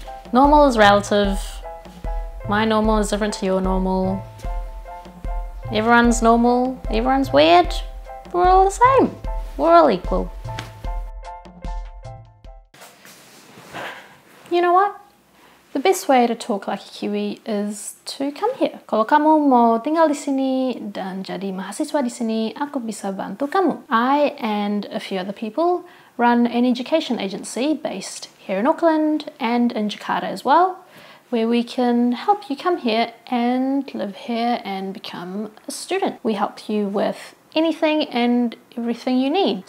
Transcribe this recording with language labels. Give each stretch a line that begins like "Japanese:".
English: Normal is relative. My normal is different to your normal. Everyone's normal. Everyone's weird. We're all the same. We're all equal. You know what? The best way to talk like a Kiwi is to come here.
Indonesian: Kalau kamu mau tinggal di sini dan jadi mahasiswa di sini, aku bisa bantu kamu.
English: I and a few other people run an education agency based here in Auckland and in Jakarta as well, where we can help you come here and live here and become a student. We help you with anything and everything you need.